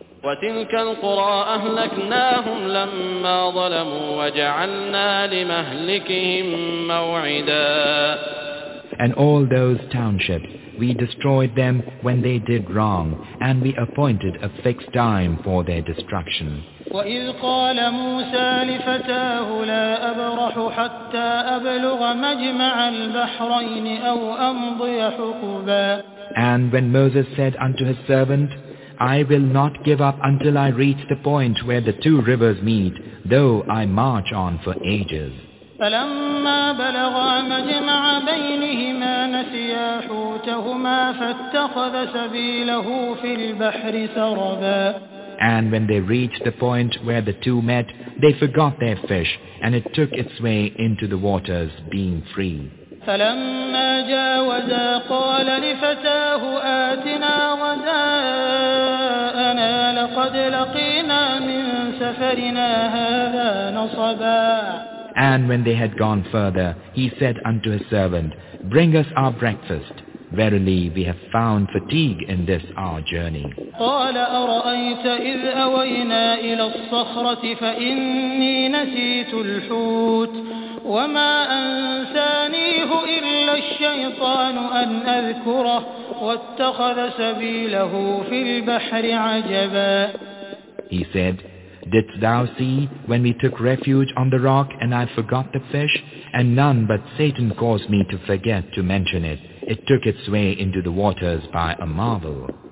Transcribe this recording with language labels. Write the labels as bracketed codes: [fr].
[ar] وَتِلْكَ الْقُرَىٰ أَهْلَكْنَاهُمْ لَمَّا ظَلَمُوا وَجَعَلْنَا لِمَهْلِكِهِمْ مَوْعِدًا. [en] And all those townships, we destroyed them when they did wrong, and we appointed a fixed time for their destruction. [ar] وَإِذْ قَالَ مُوسَى لِفَتَاهُ لَا أَبْرَحُ حَتَّى أَبْلُغَ مَجْمَعَ الْبَحْرَيْنِ أَوْ أَمْضِيَ حُقُبًا. [en] And when Moses said unto his servant, I will not give up until I reach the point where the two rivers meet, though I march on for ages. [ar] فَلَمَّا بَلَغَا مَجْمَعَ بَيْنِهِمَا نَسِيَا حُوتَهُمَا فَاتَّخَذَ سَبِيلَهُ فِي الْبَحْرِ سَرَبًا. [en] And when they reached the point where the two met, they forgot their fish, and it took its way into the waters, being free. [ar] فَلَمَّا جَاوَزَا قَالَ لِفَتَاهُ آتِنَا غَدَاءَنَا لَقَدْ لَقِينَا مِنْ سَفَرِنَا هَذَا نَصَبًا. [en] And when they had gone further, he said unto his servant, Bring us our breakfast. Verily, we have found fatigue in this our journey. [ar] قال أرأيت إذ أوينا إلى الصخرة فإني نسيت الحوت وما أنسانيه إلا الشيطان أن أذكره واتخذ سبيله في البحر عجبا. [en] He said, Didst thou see when we took refuge on the rock and I forgot the fish? And none but Satan caused me to forget to mention it. It took its way into the waters by a marvel.